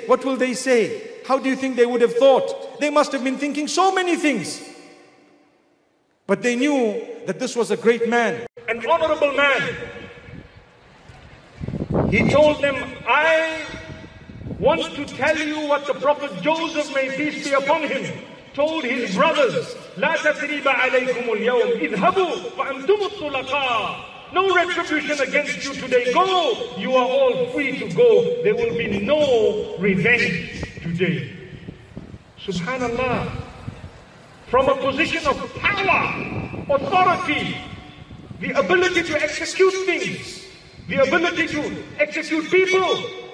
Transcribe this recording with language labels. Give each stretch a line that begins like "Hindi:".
English: What will they say? How do you think they would have thought? They must have been thinking so many things. But they knew that this was a great man, an honorable man. He told them, I want to tell you what the Prophet Joseph, may peace be upon him, told his brothers.
Arabic: لا تثريب عليكم اليوم اذهبوا وأنتم الطلقاء.
English: No retribution against you today. Go, you are all free to go. There will be no revenge today. Subhanallah. From a position of power, authority, the ability to execute things, the ability to execute people,